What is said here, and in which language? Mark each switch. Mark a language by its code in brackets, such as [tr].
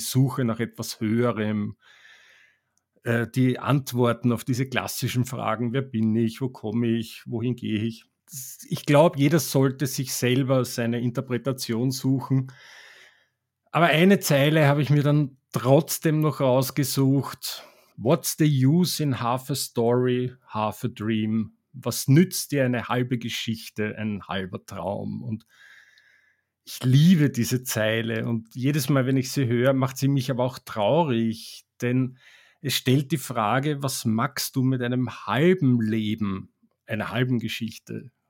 [de] Die Suche nach etwas Höherem, die Antworten auf diese klassischen Fragen, wer bin ich, wo komme ich, wohin gehe ich. Ich glaube, jeder sollte sich selber seine Interpretation suchen. Aber eine Zeile habe ich mir dann trotzdem noch rausgesucht. [en] What's the use in half a story, half a dream? [de] Was nützt dir eine halbe Geschichte, ein halber Traum? Und ich liebe diese Zeile. Und jedes Mal, wenn ich sie höre, macht sie mich aber auch traurig. Denn es stellt die Frage, was magst du mit einem halben Leben, einer halben Geschichte?